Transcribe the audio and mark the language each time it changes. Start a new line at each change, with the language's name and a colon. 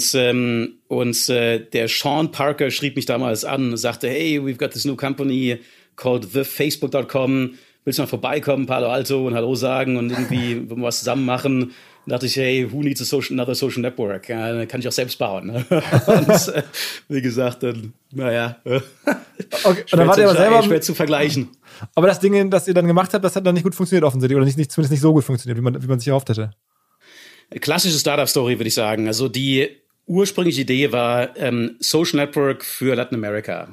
German: Und der Sean Parker schrieb mich damals an und sagte,
English: hey, we've got this new company called thefacebook.com,
German: willst du mal vorbeikommen, Palo Alto, und Hallo sagen und irgendwie was zusammen machen? Da dachte ich,
English: hey, who needs another social network?
German: Ja, kann ich auch selbst bauen. Und wie gesagt, dann, naja. Okay, dann war der aber selber schwer zu vergleichen. Aber das Ding, das ihr dann gemacht habt, das hat dann nicht gut funktioniert offensichtlich. Oder zumindest nicht so gut funktioniert, wie man sich erhofft hätte. Klassische Startup-Story, würde ich sagen. Also die ursprüngliche Idee war Social Network für Latin America.